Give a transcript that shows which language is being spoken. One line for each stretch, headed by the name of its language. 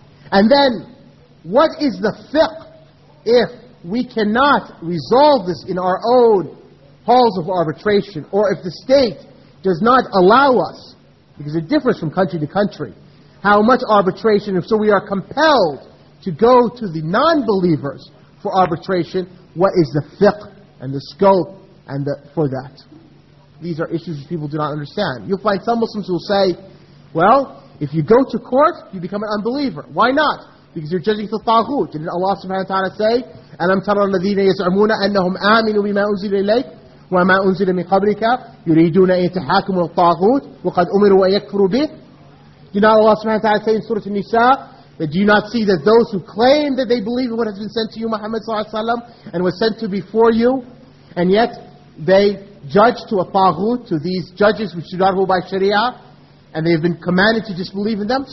English: And then, what is the fiqh if we cannot resolve this in our own halls of arbitration, or if the state does not allow us, because it differs from country to country, how much arbitration, if so we are compelled to go to the non-believers for arbitration, what is the fiqh and the scope and the for that? These are issues which people do not understand. You'll find some Muslims who will say, well, if you go to court, you become an unbeliever. Why not? Because you're judging for taghut. Didn't Allah subhanahu wa ta'ala say,
Arabic: أَلَمْ تَرَى الَّذِينَ يَزْعُمُونَ أَنَّهُمْ آمِنُوا بِمَا أُنزِلَ إِلَيْكَ وَمَا أُنزِلَ مِنْ قَبْلِكَ يُرِيدُونَ أَن يَتَحَاكَمُوا الطَّاغُوتُ وَقَدْ أُمِرُوا أَن يَكْفُرُوا بِهِ.
English: Did not Allah subhanahu wa ta'ala say in Surah An-Nisa that do you not see that those who claim that they believe in what has been sent to you, Muhammad sallallahu alaihi wasallam, and was sent to before you, and yet they judge to a taghut, to these judges which do not rule by Sharia, and they have been commanded to disbelieve in them?